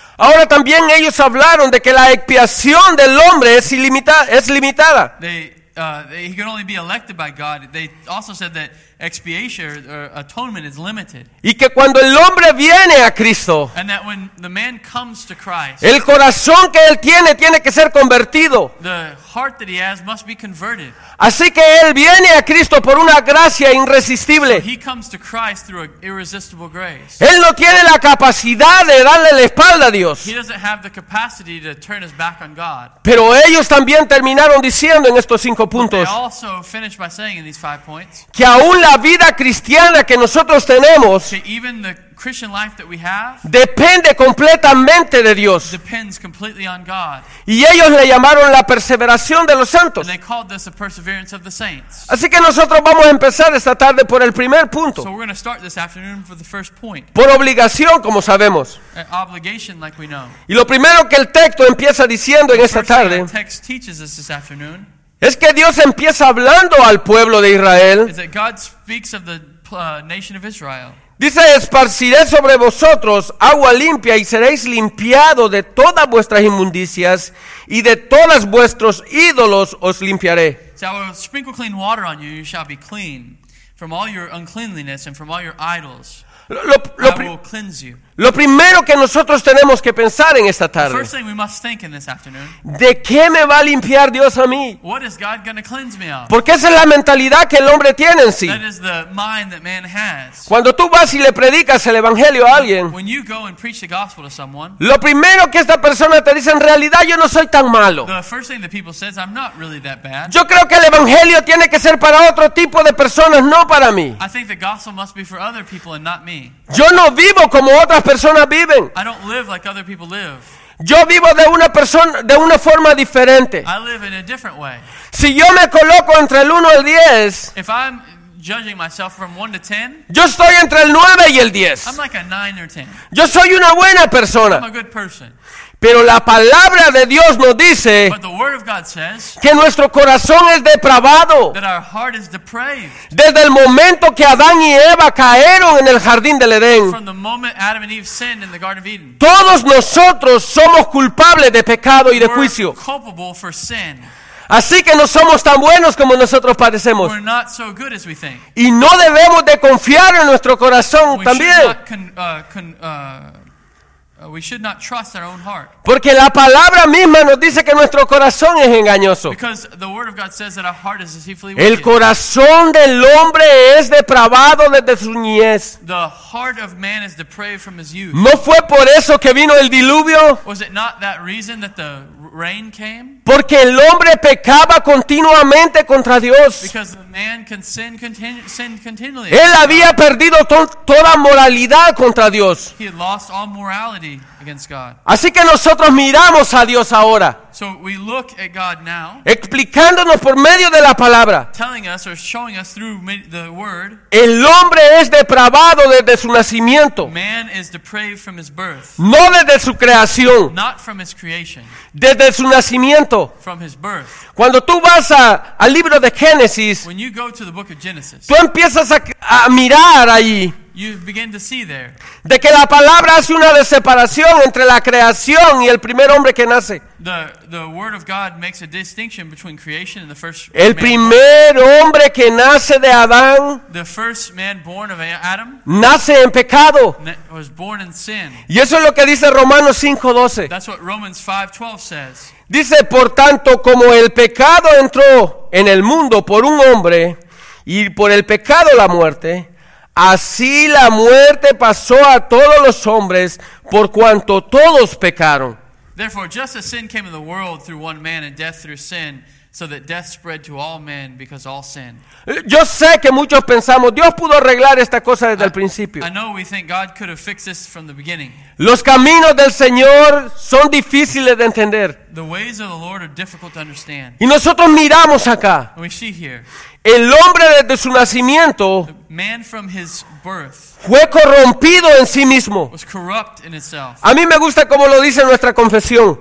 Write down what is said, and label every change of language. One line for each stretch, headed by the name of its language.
Spanish: Ahora también ellos hablaron de que la expiación del hombre es limitada.
English: He could only be elected by God. They also said that expiation or atonement is limited.
Spanish: Y que cuando el hombre viene a Cristo,
English: and that when the man comes to Christ,
Spanish: el corazón que él tiene que ser convertido.
English: The heart that he has must be converted.
Spanish: Así que él viene a Cristo por una gracia irresistible.
English: So he comes to Christ through an irresistible grace.
Spanish: Él no tiene la capacidad de darle la espalda a Dios.
English: He doesn't have the capacity to turn his back on God.
Spanish: Pero ellos también terminaron diciendo en estos 5 puntos.
English: But they also finished by saying in these 5 points.
Spanish: Que aún la vida cristiana que nosotros tenemos,
English: so even the Christian life that we have,
Spanish: depende completamente de Dios.
English: Depends completely on God.
Spanish: Y ellos le llamaron la perseveración de los santos.
English: And they called this the perseverance of the saints.
Spanish: Así que nosotros vamos a empezar esta tarde por el primer punto.
English: So we're going to start this afternoon for the first point.
Spanish: Por obligación, como sabemos.
English: An obligation, like we know.
Spanish: Y lo primero que el texto empieza diciendo en esta tarde,
English: the text teaches us this afternoon,
Spanish: es que Dios empieza hablando al pueblo de Israel.
English: Is that God speaks of the nation of Israel.
Spanish: Dice, esparciré sobre vosotros agua limpia y seréis limpiados de todas vuestras inmundicias y de todos vuestros ídolos os limpiaré.
English: So I will sprinkle clean water on you, you shall be clean from all your uncleanliness and from all your idols. I will cleanse you.
Spanish: Lo primero que nosotros tenemos que pensar en esta tarde,
English: the first thing we must think in this afternoon,
Spanish: ¿de qué me va a limpiar Dios a mí?
English: What is God going to cleanse me of?
Spanish: Porque esa es la mentalidad que el hombre tiene en sí.
English: That is the mind that man has.
Spanish: Cuando tú vas y le predicas el evangelio a alguien,
English: when you go and preach the gospel to someone,
Spanish: lo primero que esta persona te dice, en realidad yo no soy tan malo.
English: The first thing that people says, I'm not really that bad.
Spanish: Yo creo que el evangelio tiene que ser para otro tipo de personas, no para mí.
English: I think the gospel must be for other people and not me.
Spanish: Yo no vivo como otras personas viven.
English: I don't live like other people live.
Spanish: Yo vivo de una forma diferente.
English: I live in a different way.
Spanish: Si yo me coloco entre el 1 y el 10,
English: if I'm judging myself from 1 to 10,
Spanish: yo estoy entre el 9 y el 10.
English: I'm like a 9 or 10.
Spanish: Yo soy una buena persona.
English: I'm a good person.
Spanish: Pero la palabra de Dios nos dice,
English: but the word of God says,
Spanish: que nuestro corazón es depravado.
English: That our heart is depraved.
Spanish: Desde el momento que Adán y Eva cayeron en el jardín del Edén,
English: from the moment Adam and Eve sinned in the Garden of Eden,
Spanish: todos nosotros somos culpables de pecado y de juicio.
English: We're culpable for sin.
Spanish: Así que no somos tan buenos como nosotros parecemos.
English: We're not so good as we think.
Spanish: Y no debemos de confiar en nuestro corazón también.
English: We should not We should not trust our own heart.
Spanish: Porque la palabra misma nos dice que nuestro corazón es engañoso.
English: Because the word of God says that our heart is deceitfully wicked.
Spanish: El corazón del hombre es depravado desde su niñez.
English: The heart of man is depraved from his youth.
Spanish: ¿No fue por eso que vino el diluvio?
English: Was it not that reason that the rain came?
Spanish: Porque el hombre pecaba continuamente contra Dios.
English: Because the man can sin continually.
Spanish: Él había perdido toda moralidad contra Dios.
English: He had lost all morality against God.
Spanish: Así que nosotros miramos a Dios ahora.
English: So we look at God now.
Spanish: Explicándonos por medio de la palabra.
English: Telling us or showing us through the word.
Spanish: El hombre es depravado desde su nacimiento.
English: Man is depraved from his birth.
Spanish: No desde su creación.
English: Not from his creation.
Spanish: Desde su nacimiento.
English: From his birth.
Spanish: Cuando tú vas al libro de Génesis,
English: when you go to the book of Genesis,
Spanish: tú empiezas a mirar allí.
English: You begin to see there.
Spanish: De que la palabra hace una separación entre la creación y el primer hombre que nace.
English: The word of God makes a distinction between creation and the first man.
Spanish: El primer hombre que nace de Adán,
English: the first man born of Adam,
Spanish: nace en pecado.
English: Was born in sin.
Spanish: Y eso es lo que dice Romanos 5:12.
English: That's what Romans 5:12 says.
Spanish: Dice, por tanto, como el pecado entró en el mundo por un hombre y por el pecado la muerte, así la muerte pasó a todos los hombres por cuanto todos pecaron.
English: Therefore, just as sin came in the world through one man and death through sin, so that death spread to all men because all sin.
Spanish: Yo sé que muchos pensamos, Dios pudo arreglar esta cosa desde el principio.
English: I know we think God could have fixed this from the beginning.
Spanish: Los caminos del Señor son difíciles de entender.
English: The ways of the Lord are difficult to understand.
Spanish: Y nosotros miramos acá.
English: We see here.
Spanish: El hombre desde su nacimiento,
English: the man from his birth,
Spanish: fue corrompido en sí mismo.
English: Was corrupt in itself.
Spanish: A mí me gusta cómo lo dice nuestra confesión.